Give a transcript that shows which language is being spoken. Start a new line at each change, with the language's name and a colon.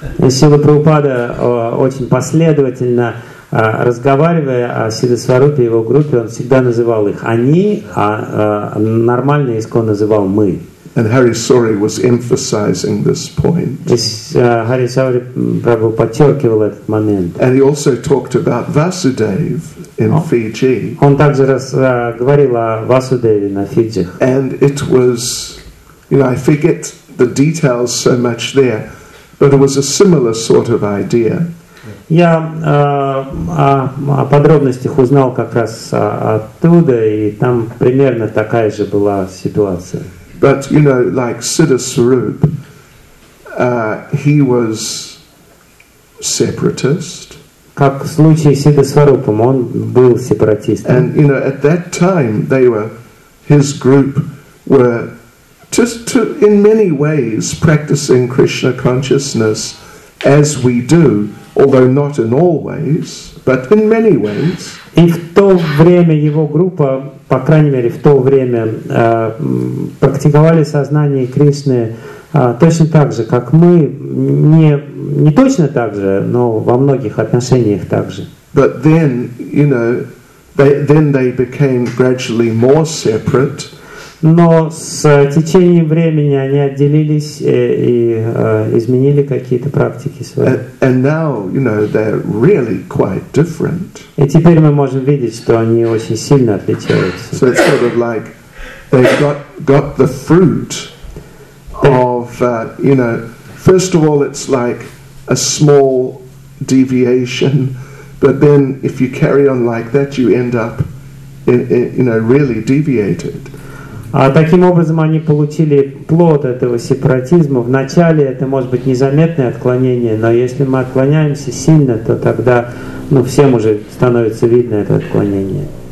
Russian: Сидда Прабхупада очень последовательно разговаривая о Сиддхасварупе и его группе, он всегда называл их «они», а нормальный ИСККОН называл «мы».
English: And Hari Sori was emphasizing this point.
Russian: Hari Sori Prabhu подчеркивал этот момент.
English: And he also talked about Vasudev in Fiji.
Russian: Он также говорил о Васудеве на Фиджи.
English: And it was, you know, I forget the details so much there, but it was a similar sort of idea.
Russian: Я о подробностях узнал как раз оттуда, и там примерно такая же была ситуация.
English: But, you know, like Siddha Swarup, he was separatist.
Russian: Как в случае с Сиддхи Сварупом, он был сепаратистом.
English: And, you know, at that time, they were, his group were, just to, in many ways, practicing Krishna consciousness as we do, although not in all ways, but in many ways.
Russian: И в то время его группа, по крайней мере, в то время практиковали сознание Кришны точно так же, как мы, не точно так же, но во многих отношениях так же.
English: But then, you know, they became gradually more separate.
Russian: Но с течением времени они отделились и изменили какие-то практики свои.
English: And now, you know, they're really quite different.
Russian: И теперь мы можем видеть, что они очень сильно отличаются.
English: So it's sort of like they've got the fruit of, you know, first of all, it's like a small deviation, but then if you carry on like that, you end up, you know, really deviated.
Russian: А таким образом они получили плод этого сепаратизма. Вначале это может быть незаметное отклонение, но если мы отклоняемся сильно, то тогда ну, всем уже становится видно это отклонение.